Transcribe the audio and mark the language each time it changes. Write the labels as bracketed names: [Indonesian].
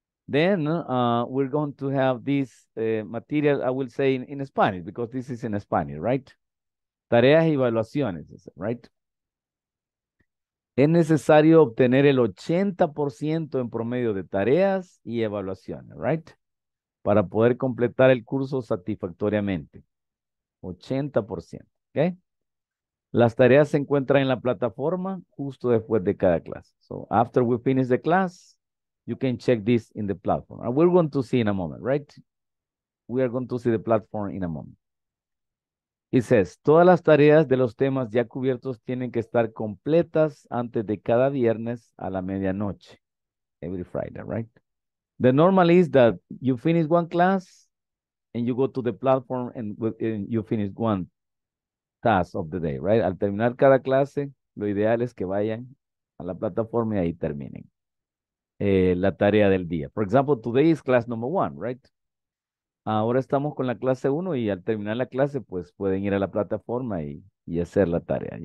[English] Then we're going to have this material, I will say in Spanish, because this is in Spanish, right? [Spanish] Tareas y evaluaciones, [English] right? [Spanish] Es necesario obtener el 80% en promedio de tareas y evaluaciones, [English] right? [Spanish] Para poder completar el curso satisfactoriamente. 80%, [English] okay? [Spanish] Las tareas se encuentran en la plataforma justo después de cada clase. [English] So after we finish the class, you can check this in the platform. And we're going to see in a moment, right? We are going to see the platform in a moment. It says, [Spanish] todas las tareas de los temas ya cubiertos tienen que estar completas antes de cada viernes a la medianoche. [English] Every Friday, right? The normal is that you finish one class and you go to the platform and you finish one task of the day, right? [Spanish] Al terminar cada clase, lo ideal es que vayan a la plataforma y ahí terminen la tarea del día. [English] For example, today is class number one, right? [Spanish] Ahora estamos con la clase 1 y al terminar la clase, pues pueden ir a la plataforma y hacer la tarea.